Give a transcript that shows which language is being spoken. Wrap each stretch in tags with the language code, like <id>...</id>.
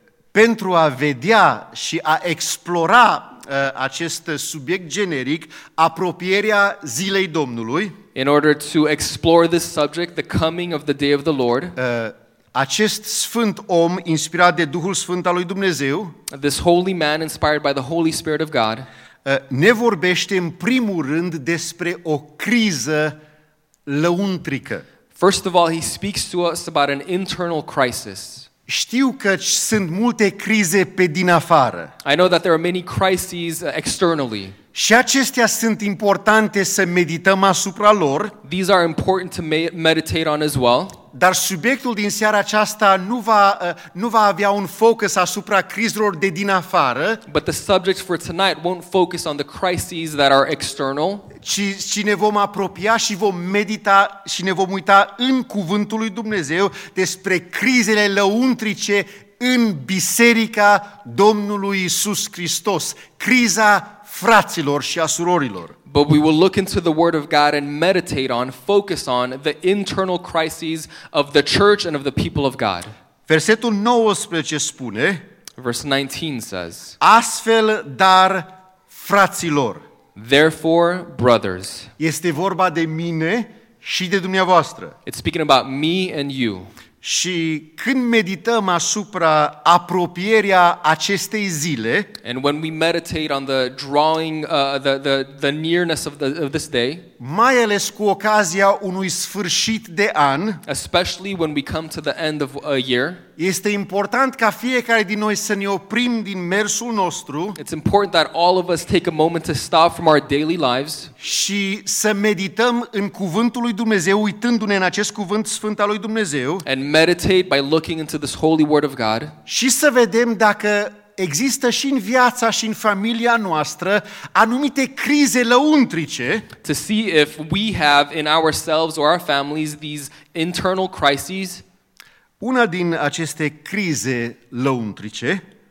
<ro>Pentru a vedea și a explora acest subiect generic, apropierea zilei Domnului.</ro> <en>In order to explore this subject, the coming of the day of the Lord.</en> <ro>Acest sfânt om inspirat de Duhul Sfânt al lui Dumnezeu.</ro> <en>This holy man inspired by the Holy Spirit of God.</en> <ro>Ne vorbește în primul rând despre o criză lăuntrică.</ro> <en>First of all, he speaks to us about an internal crisis.</en> <ro>Știu că sunt multe crize pe din afară.</ro> <en>I know that there are many crises externally.</en> <ro>Și acestea sunt importante să medităm asupra lor.</ro> <en>These are important to meditate on as well.</en> <ro>Dar subiectul din seara aceasta nu va avea un focus asupra crizelor de din afară.</ro> <en>But the subject for tonight won't focus on the crises that are external.</en> <ro>Ci ne vom apropia și vom medita și ne vom uita în cuvântul lui Dumnezeu despre crizele lăuntrice în biserica Domnului Iisus Hristos. Criza fraților și a surorilor.</ro> <en>But we will look into the word of God and meditate on, focus on the internal crises of the church and of the people of God.</en> <ro>Versetul 19 spune.</ro> <en>Verse 19 says.</en> <ro>Astfel, dar fraților.</ro> <en>Therefore, brothers.</en> <ro>Este vorba de mine și de dumneavoastră.</ro> <en>It's speaking about me and you.</en> <ro>Și când medităm asupra apropierea acestei zile,</ro> <en>and when we meditate on the drawing the nearness of this day,</en> <ro>mai ales cu ocazia unui sfârșit de an,</ro> <en>especially when we come to the end of a year,</en> <ro>este important ca fiecare din noi să ne oprim din mersul nostru.</ro> <en>It's important that all of us take a moment to stop from our daily lives</en> <ro>și să medităm în cuvântul lui Dumnezeu, uitându-ne în acest cuvânt sfânt al lui Dumnezeu.</ro> <en>And meditate by looking into this holy word of God.</en> <ro>Și să vedem dacă există și în viața și în familia noastră anumite crize lăuntrice.</ro> <en>To see if we have in ourselves or our families these internal crises.</en> <ro>Una din aceste crize lăuntrice,</ro>